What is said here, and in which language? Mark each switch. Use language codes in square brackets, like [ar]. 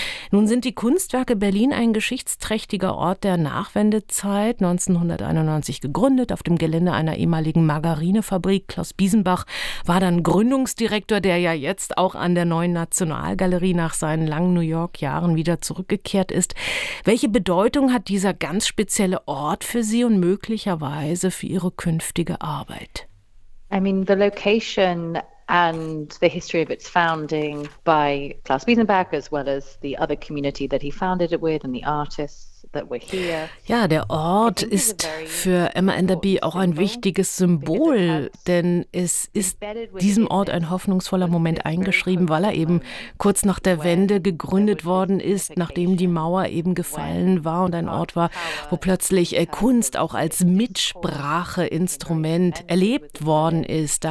[de] Nun sind die Kunstwerke Berlin ein geschichtsträchtiger Ort der Nachwendezeit, 1991 gegründet, auf dem Gelände einer ehemaligen Margarinefabrik. Klaus Biesenbach war dann Gründungsdirektor, der ja jetzt auch an der neuen Nationalgalerie nach seinen langen New York-Jahren wieder zurückgekehrt ist. Welche Bedeutung hat dieser ganz spezielle Ort für Sie und möglicherweise für Ihre künftige Arbeit? [en] I mean, the location and the history of its founding by Klaus Biesenbach as well as the other community that he founded it with and the artists. [de] Ja, der Ort ist für Emma Enderby auch ein wichtiges Symbol, denn es ist diesem Ort ein hoffnungsvoller Moment eingeschrieben, weil er eben kurz nach der Wende gegründet worden ist, nachdem die Mauer eben gefallen war und ein Ort war, wo plötzlich Kunst auch als Mitspracheinstrument erlebt worden ist.